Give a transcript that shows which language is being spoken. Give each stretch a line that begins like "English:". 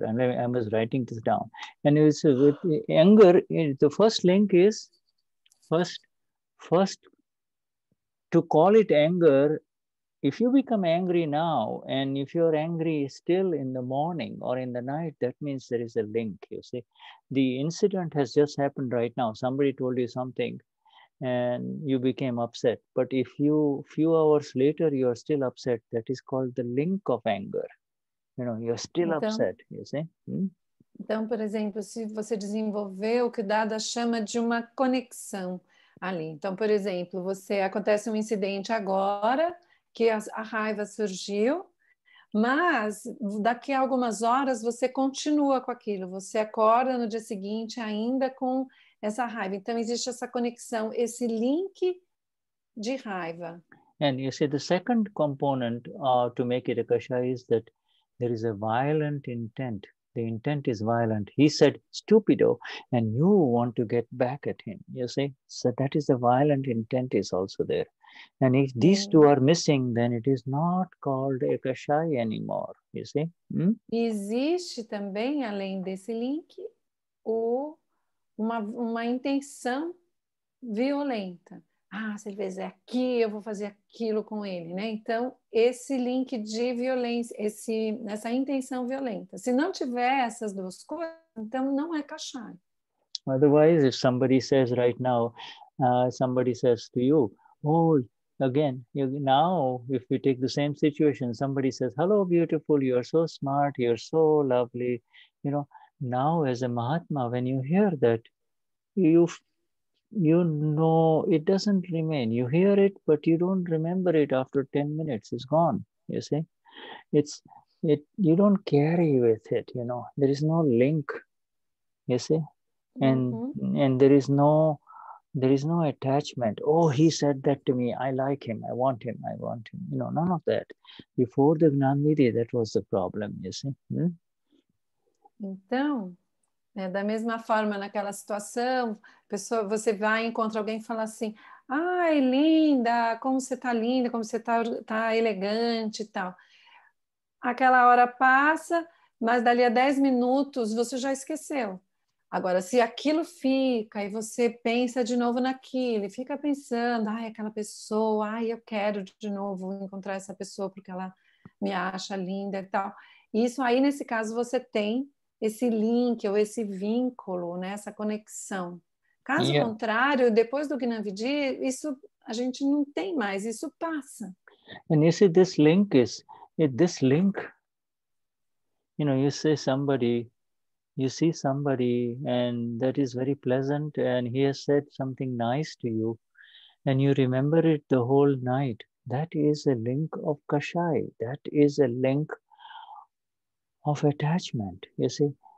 English: And I was writing this down. And it's with anger, the first link is first to call it anger, if you become angry now, and if you're angry still in the morning or in the night, that means there is a link, you see. The incident has just happened right now. Somebody told you something and you became upset. But if you, few hours later, you are still upset, that is called the link of anger. You know, you're still então, upset, you see.
Portuguese: Então, por exemplo, se você desenvolver o que Dada chama de uma conexão, ali. Então, por exemplo, você acontece um incidente agora que a raiva surgiu, mas daqui a algumas horas você continua com aquilo, você acorda no dia seguinte ainda com essa raiva. Então, existe essa conexão, esse link de raiva.
English: And you see, the second component to make it a kasha is that there is a violent intent. The intent is violent. He said, stupido, and you want to get back at him, you see? So that is the violent intent is also there. And if these two are missing, then it is not called a kashai anymore, you see?
Portuguese: Existe também, além desse link, uma intenção violenta. Ah, se ele fizer aqui, eu vou fazer aquilo com ele, né? Então, esse link de violência, essa intenção violenta. Se não tiver essas duas coisas, então não é kashai.
English: Otherwise, if somebody says right now, somebody says to you, oh, again, you, now, if we take the same situation, somebody says, hello, beautiful, you are so smart, you are so lovely. You know, now as a Mahatma, when you hear that, you know, it doesn't remain. You hear it, but you don't remember it after 10 minutes. It's gone, you see? You don't carry with it, you know? There is no link, you see? And there is no attachment. Oh, he said that to me. I like him. I want him. You know, none of that. Before the Gnanvidhi, that was the problem, you see?
Portuguese: Então... É, da mesma forma, naquela situação, você vai e encontra alguém e fala assim, ai, linda, como você está elegante e tal. aquela hora passa, mas dali a 10 minutos você já esqueceu. Agora, se aquilo fica e você pensa de novo naquilo, e fica pensando, ai, aquela pessoa, ai, eu quero de novo encontrar essa pessoa porque ela me acha linda e tal. Isso aí, nesse caso, você tem esse link ou esse vínculo, né, essa conexão. Caso contrário, depois do Gnan Vidhi, isso a gente não tem mais, isso passa.
English: And you see, this link is, this link, you know, you see somebody, and that is very pleasant, and he has said something nice to you, and you remember it the whole night. That is a link of kashai. That is a link of attachment, you see.